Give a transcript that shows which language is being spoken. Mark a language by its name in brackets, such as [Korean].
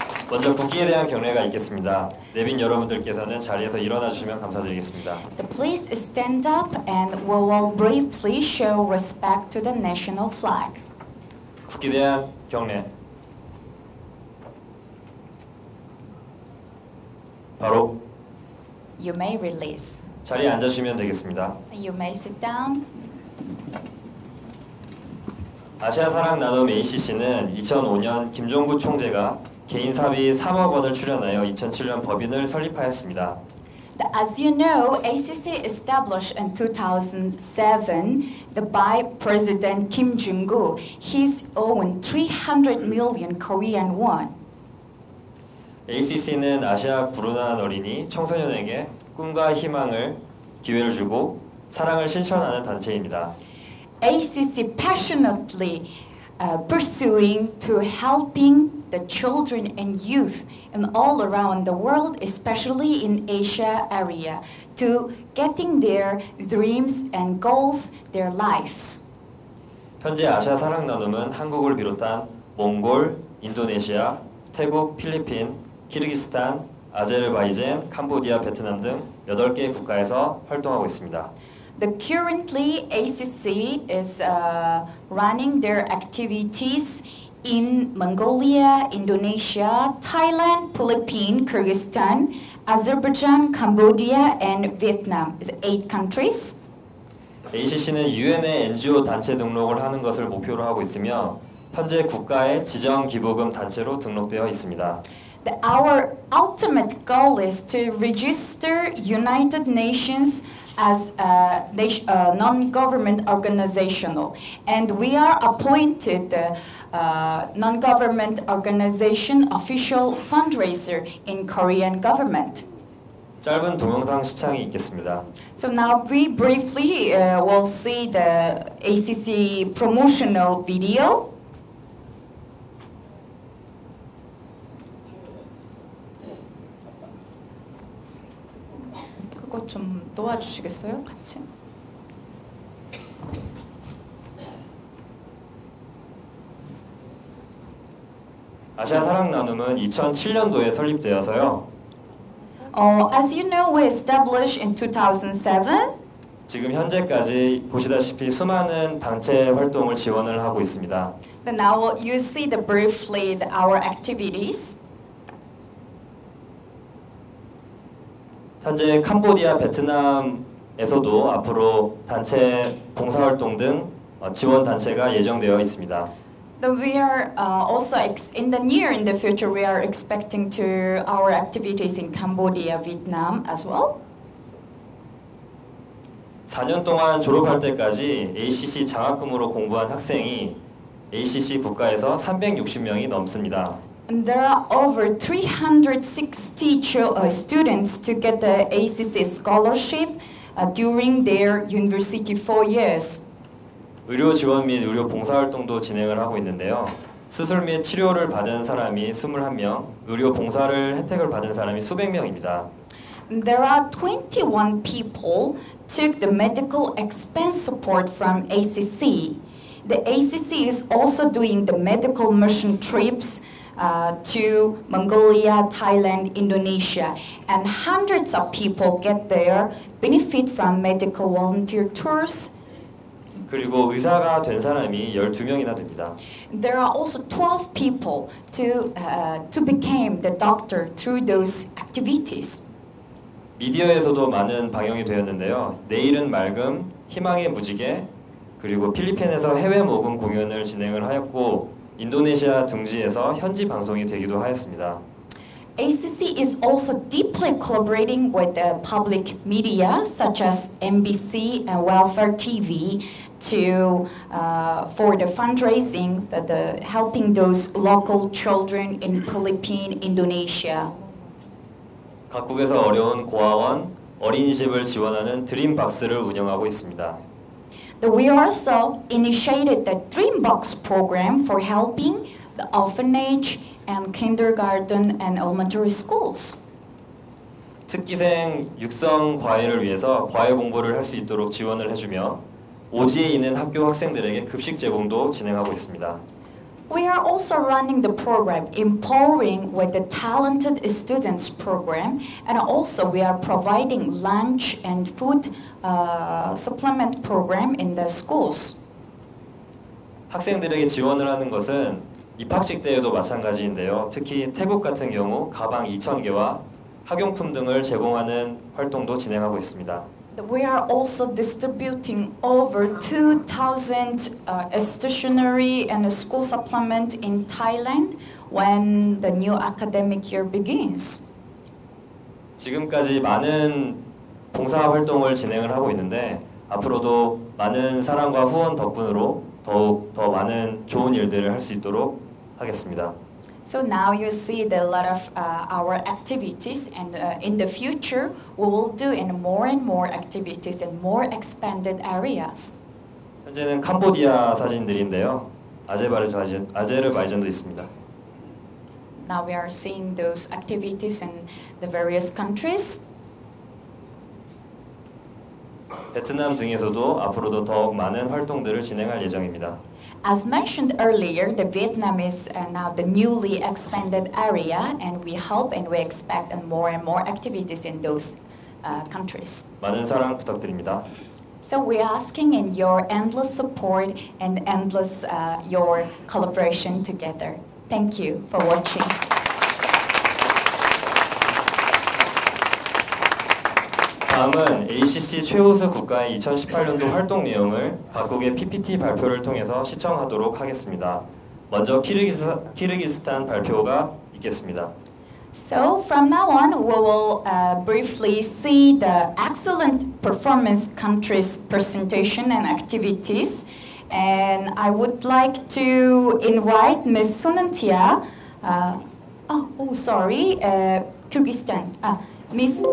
[Korean] 먼저 국기에 대한 경례가 있겠습니다. 내빈 여러분들께서는 자리에서 일어나 주시면 감사드리겠습니다. [English] Please stand up and we will briefly show respect to the national flag. [Korean] 국기에 대한 경례. 바로. [English] You may release. [Korean] 자리에 앉아 주시면 되겠습니다. [English] You may sit down. [Korean] 아시아 사랑 나눔 ACC는 2005년 김종국 총재가 개인 사비 3억 원을 출연하여 2007년 법인을 설립하였습니다. [English] As you know, ACC established in 2007 the by President Kim Jong-un. He's own 300 million Korean won. [Korean] ACC는 아시아 불운한 어린이 청소년에게 꿈과 희망을 기회를 주고 사랑을 실천하는 단체입니다. [English] ACC passionately pursuing to helping the children and youth and all around the world, especially in Asia area, to getting their dreams and goals, their lives. [Korean] 현재 아시아 사랑 나눔은 한국을 비롯한 몽골, 인도네시아, 태국, 필리핀, 키르기스탄, 아제르바이잔, 캄보디아, 베트남 등 8개의 국가에서 활동하고 있습니다. [English] The currently ACC is running their activities in Mongolia, Indonesia, Thailand, Philippines, Kyrgyzstan, Azerbaijan, Cambodia, and Vietnam. It's 8 countries. [Korean] ACC는 UN의 NGO 단체 등록을 하는 것을 목표로 하고 있으며 현재 국가의 지정 기부금 단체로 등록되어 있습니다. [English] Our ultimate goal is to register United Nations as a non-government organizational, and we are appointed the non-government organization official fundraiser in Korean government. [Korean] 짧은 동영상 시청이 있겠습니다. [English] So now we briefly will see the ACC promotional video. [Korean] 좀 도와주시겠어요? 같이. 아시아 사랑 나눔은 2007년도에 설립되어서요. [English] As you know, we established in 2007. [Korean] 지금 현재까지 보시다시피 수많은 단체 활동을 지원을 하고 있습니다. [English] Then now you see the briefly our activities. [Korean] 현재 캄보디아, 베트남에서도 앞으로 단체 봉사활동 등 지원 단체가 예정되어 있습니다. [English] we are also in the near in the future we are expecting to our activities in Cambodia, Vietnam as well. [Korean] 4년 동안 졸업할 때까지 ACC 장학금으로 공부한 학생이 ACC 국가에서 360명이 넘습니다. [English] And there are over 360 students to get the ACC scholarship during their university 4 years. [Korean] 의료 지원 및 의료 봉사 활동도 진행을 하고 있는데요. 수술 및 치료를 받은 사람이 21명, 의료 봉사를 혜택을 받은 사람이 수백 명입니다. [English] There are 21 people took the medical expense support from ACC. The ACC is also doing the medical mission trips to Mongolia, Thailand, Indonesia, and hundreds of people get their benefit from medical volunteer tours. [Korean] 그리고 의사가 된 사람이 12명이나 됩니다. [English] There are also 12 people to become the doctor through those activities. [Korean] 미디어에서도 많은 방영이 되었는데요. 내일은 맑음, 희망의 무지개, 그리고 필리핀에서 해외 모금 공연을 진행을 하였고 인도네시아 둥지에서 현지 방송이 되기도 하였습니다. [English] ACC is also deeply collaborating with the public media such as MBC and Welfare TV for the fundraising that the helping those local children in Philippines, Indonesia. [Korean] 각국에서 어려운 고아원, 어린이집을 지원하는 드림박스를 운영하고 있습니다. [English] We also initiated the Dreambox program for helping the orphanage and kindergarten and elementary schools. [Korean] 특기생 육성 과외를 위해서 과외 공부를 할 수 있도록 지원을 해주며 오지에 있는 학교 학생들에게 급식 제공도 진행하고 있습니다. [English] We are also running the program empowering with the talented students program and also we are providing lunch and food supplement program in the schools. [Korean] 학생들에게 지원을 하는 것은 입학식 때에도 마찬가지인데요. 특히 태국 같은 경우 가방 2,000개와 학용품 등을 제공하는 활동도 진행하고 있습니다. [English] We are also distributing over 2,000 stationery and school supplement in Thailand when the new academic year begins. [Korean] 지금까지 많은 봉사 활동을 진행을 하고 있는데 앞으로도 많은 사랑과 후원 덕분으로 더욱 더 많은 좋은 일들을 할 수 있도록 하겠습니다. [English] So now you see the lot of our activities and in the future we will do in more and more activities in more expanded areas. [Korean] 현재는 캄보디아 사진들인데요. 아제르바이잔도 있습니다. [English] Now we are seeing those activities in the various countries. [Korean] 베트남 등에서도 앞으로도 더욱 많은 활동들을 진행할 예정입니다. [English] As mentioned earlier, the Vietnam is now the newly expanded area, and we hope and we expect more and more activities in those countries. [Korean] 많은 사랑 부탁드립니다. [English] So we are asking in your endless support and endless your collaboration together. Thank you for watching. [Korean] ACC 최우수 국가의 2018년도 활동 내용을 각국의 PPT 발표를 통해서 시청하도록 하겠습니다. 먼저 키르기스탄 발표가 있겠습니다. [English] So from now on, we will briefly see the excellent performance countries presentation and activities. And I would like to invite Ms. Sunantia. Kyrgyzstan. Ms.